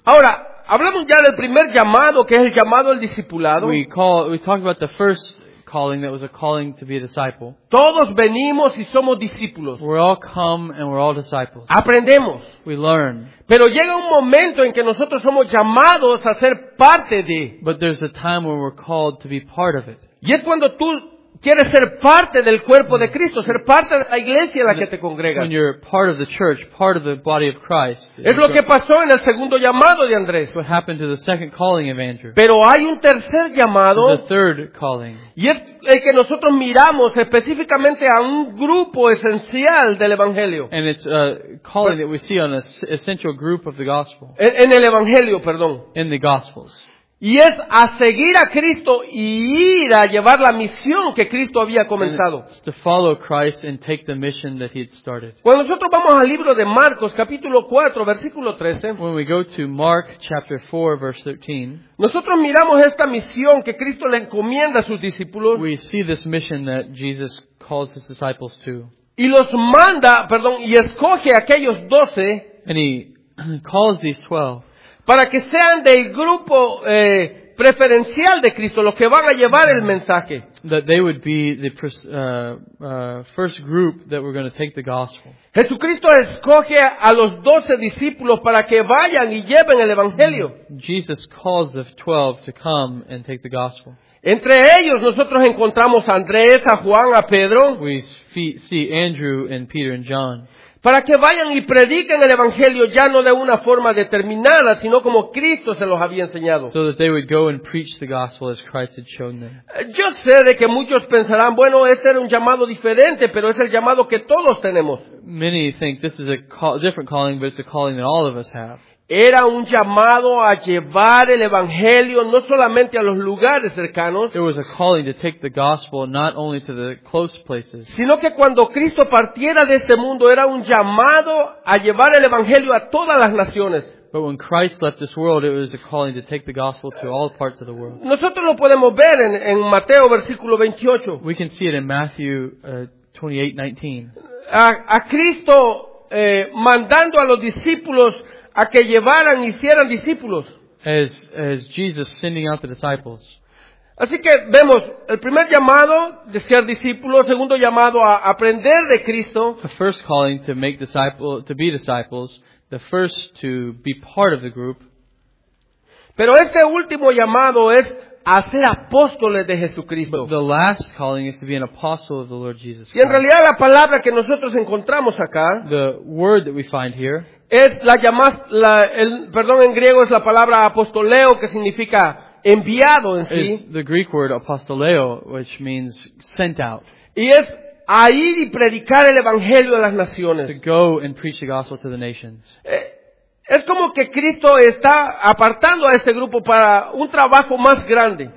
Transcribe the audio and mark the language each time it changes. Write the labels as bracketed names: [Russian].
[Spanish] Ahora, hablamos ya del primer llamado, que es el llamado al discipulado. [English] We talked about the first calling that was a calling to be a disciple. [Spanish] Todos venimos y somos discípulos. [English] We all come and we're all disciples. [Spanish] Aprendemos. [English] We learn. [Spanish] Pero llega un momento en que nosotros somos llamados a ser parte de. [English] But there's a time when we're called to be part of it. [Spanish] Y es cuando tú quieres ser parte del cuerpo de Cristo, ser parte de la iglesia en la que te congregas. [English] When you're part of the church, part of the body of Christ. [Spanish] Es lo que pasó en el segundo llamado de Andrés. [English] What happened to the second calling of Andrew. [Spanish] Pero hay un tercer llamado. [English] The third calling. [Spanish] Y es el que nosotros miramos específicamente a un grupo esencial del evangelio. [English] And it's a calling that we see on an essential group of the gospel. [Spanish] En el evangelio, perdón. [English] In the gospels. [Spanish] Y es a seguir a Cristo y ir a llevar la misión que Cristo había comenzado. [English] To follow Christ and take the mission that he had started. [Spanish] Cuando nosotros vamos al libro de Marcos, capítulo 4, versículo 13. [English] When we go to Mark, chapter 4, verse 13. [Spanish] Nosotros miramos esta misión que Cristo le encomienda a sus discípulos. [English] We see this mission that Jesus calls his disciples to. [Spanish] Y los manda, perdón, y escoge a aquellos 12. [English] And he calls these 12. [Spanish] Para que sean del grupo preferencial de Cristo, los que van a llevar el mensaje. [English] That they would be the first group that were going to take the gospel. [Spanish] Jesucristo escoge a los 12 discípulos para que vayan y lleven el evangelio. [English] Jesus calls the 12 to come and take the gospel. [Spanish] Entre ellos nosotros encontramos a Andrés, a Juan, a Pedro. [English] We see Andrew and Peter and John. [Spanish] Para que vayan y prediquen el evangelio ya no de una forma determinada, sino como Cristo se los había enseñado. [English] So that they would go and preach the gospel as Christ had shown them. [Spanish] Yo sé de que muchos pensarán, bueno, este era un llamado diferente, pero es el llamado que todos tenemos. [English] Many think this is a different calling, but it's a calling that all of us have. [Spanish] Era un llamado a llevar el evangelio no solamente a los lugares cercanos. [English] It was a calling to take the gospel not only to the close places. [Spanish] Sino que cuando Cristo partiera de este mundo era un llamado a llevar el evangelio a todas las naciones. [English] But when Christ left this world, it was a calling to take the gospel to all parts of the world. [Spanish] Nosotros lo podemos ver en Mateo versículo 28. [English] We can see it in Matthew 28:19. [Spanish] A Cristo mandando a los discípulos a que llevaran y hicieran discípulos. [English] As Jesus sending out the disciples. [Spanish] Así que vemos el primer llamado de ser discípulo, el segundo llamado a aprender de Cristo. [English] The first calling to make disciples, to be disciples, the first to be part of the group. [Spanish] Pero este último llamado es a ser apóstoles de Jesucristo. [English] The last calling is to be an apostle of the Lord Jesus Christ. [Spanish] Y en realidad la palabra que nosotros encontramos acá, [English] the word that we find here, [Spanish] es en griego es la palabra apostoleo, que significa enviado en sí. [English] It's the Greek word apostoleo, which means sent out. [Spanish] Y es a ir y predicar el evangelio a las naciones. [English] To go and preach the gospel to the nations. [Spanish] Es como que Cristo está apartando a este grupo para un trabajo más grande.